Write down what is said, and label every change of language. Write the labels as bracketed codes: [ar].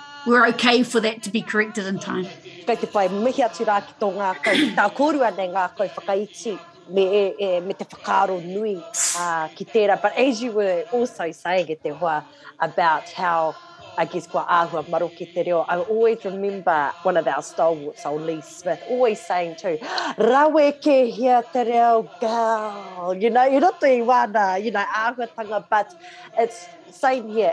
[en] We're okay for that to be corrected in time. [mi] Kei te pai, mihi atu rā ki tō ngā kai, tā kōrua nei ngā kai whakaiti. Me te whakaaro nui ki tērā. [en] But as you were also saying [mi] e te hoa [en] about how, I guess, [mi] kua āhua maro ki te reo, [en] I always remember one of our stalwarts, old Lee Smith, always saying too, [mi] rawe ke hia te reo, [en] girl. You know, [mi] I roto I wāna, [en] you know, āhuatanga, but it's same here.